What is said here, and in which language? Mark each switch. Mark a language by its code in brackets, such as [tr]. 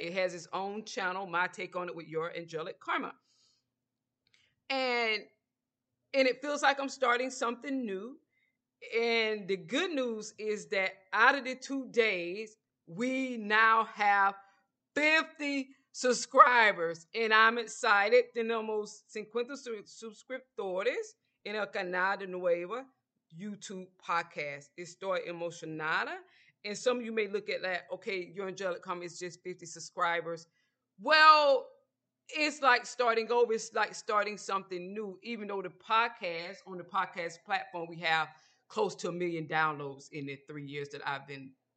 [en] It has its own channel, My Take on It with Your Angelic Karma. And it feels like I'm starting something new. And the good news is that out of the 2 days, we now have 50 subscribers. And I'm excited. [es] Tenemos 50 suscriptores en el canal de Nueva YouTube podcast. Estoy emocionada. [en] And some of you may look at that, okay, Your Angelic Karma is just 50 subscribers. Well, it's like starting over. It's like starting something new. Even though the podcast, on the podcast platform, we have close to 1 million downloads in the 3 years that I've been